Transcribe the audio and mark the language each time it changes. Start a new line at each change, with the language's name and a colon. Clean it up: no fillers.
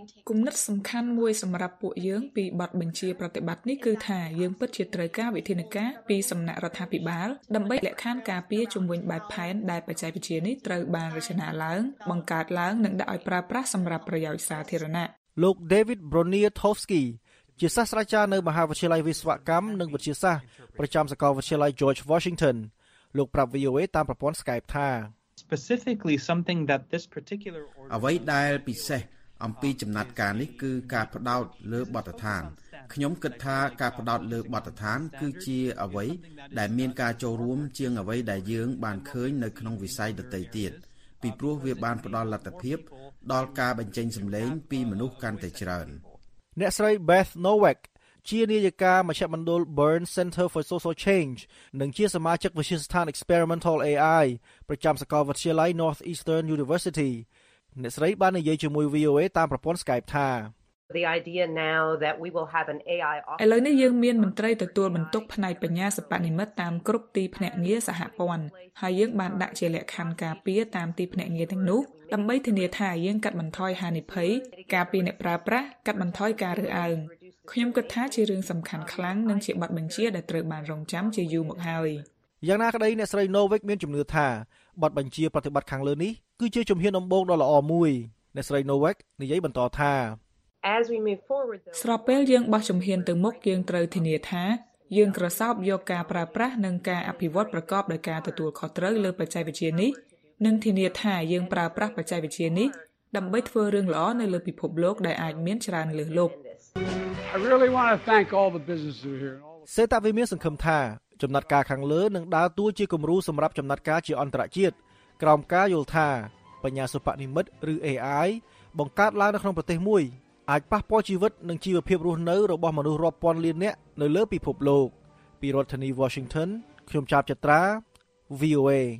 Khmer: គំនិតសំខាន់មួយសម្រាប់ពួកយើងពីបទបញ្ជាប្រតិបត្តិនេះគឺថាយើងពិតជាត្រូវការវិធានការពីសំណាក់រដ្ឋាភិបាលដើម្បីលក្ខខណ្ឌការពារជំនួយបែបផែនដែលបច្ចេកវិទ្យានេះត្រូវបានរចនាឡើងបង្កើតឡើងនិងដាក់ឲ្យប្រើប្រាស់សម្រាប់ប្រយោជន៍សាធារណៈ លោក David Broniatowski ជាសាស្ត្រាចារ្យនៅមហាវិទ្យាល័យវិស្វកម្មនិងវិទ្យាសាស្ត្រប្រចាំសាកលវិទ្យាល័យ George Washington លោកប្រាប់ VOA តាមប្រព័ន្ធ Skype ថា
English: Specifically something that this particular
Khmer: អ្វីដែលពិសេសអំពីចំណាត់ការនេះគឺការផ្ដោតលើបទដ្ឋាន ខ្ញុំគិតថាការផ្ដោតលើបទដ្ឋានគឺជាអ្វីដែលមានការចូលរួមជាងអ្វីដែលយើងបានឃើញនៅក្នុងវិស័យដទៃទៀតពីព្រោះវាបានផ្ដល់លទ្ធភាពដល់ការបញ្ចេញសម្លេងពីមនុស្សកាន់តែច្រើន អ្នកស្រី Beth Nowak ជានាយិកាមជ្ឈមណ្ឌល Burn Center for Social Change និងជាសមាជិកវិទ្យាស្ថាន Experimental AI ប្រចាំសាកលវិទ្យាល័យ Northeastern University អ្នកស្រីបាននិយាយជាមួយ VOA តាមប្រព័ន្ធ Skype ថា
English: The idea now that we will have an AI
Khmer: office. ឥឡូវនេះយើងមានមន្ត្រីទទួលបន្ទុកផ្នែកបញ្ញាសិប្បនិម្មិតតាមគ្រប់ទីភ្នាក់ងារសហព័ន្ធហើយយើងបានដាក់ជាលក្ខខណ្ឌការពារតាមទីភ្នាក់ងារទាំងនោះដើម្បីធានាថាយើងកាត់បន្ថយហានិភ័យការពារអ្នកប្រើប្រាស់កាត់បន្ថយការរើសអើងខ្ញុំគិតថាជារឿងសំខាន់ខ្លាំងនិងជាបទបញ្ជាដែលត្រូវបានរងចាំជាយូរមកហើយ យ៉ាងណាក្តីអ្នកស្រី Novik មានជំនឿថាបទបញ្ជាប្រតិបត្តិខាងលើនេះគឺជាជំហានដំបូងដ៏ល្អមួយអ្នកស្រី Novik និយាយបន្តថា
English: As we move forward though
Khmer: ស្របពេលយើងបោះជំហានទៅមុខយើងត្រូវធានាថាយើងក្រសោបយកការប្រើប្រាស់និងការអភិវឌ្ឍប្រកបដោយការទទួលខុសត្រូវលើបច្ចេកវិទ្យានេះនិងធានាថាយើងប្រើប្រាស់បច្ចេកវិទ្យានេះដើម្បីធ្វើរឿងល្អនៅលើពិភពលោកដែលអាចមានច្រើនលើសលប់
English: I really want to thank all the businesses who are here and all
Khmer: សេតាវិមានសង្ឃឹមថាចំណាត់ការខាងលើនឹងដើរតួជាគំរូសម្រាប់ចំណាត់ការជាអន្តរជាតិក្រោមការយល់ថាបញ្ញាសិប្បនិម្មិតឬ AI បង្កើតឡើងនៅក្នុងប្រទេសមួយអាចប៉ះពាល់ជីវិតនិងជីវភាពរស់នៅរបស់មនុស្សរាប់ពាន់លាននាក់នៅលើពិភពលោកពីរដ្ឋធានី Washington ខ្ញុំចាប់ចត្រា VOA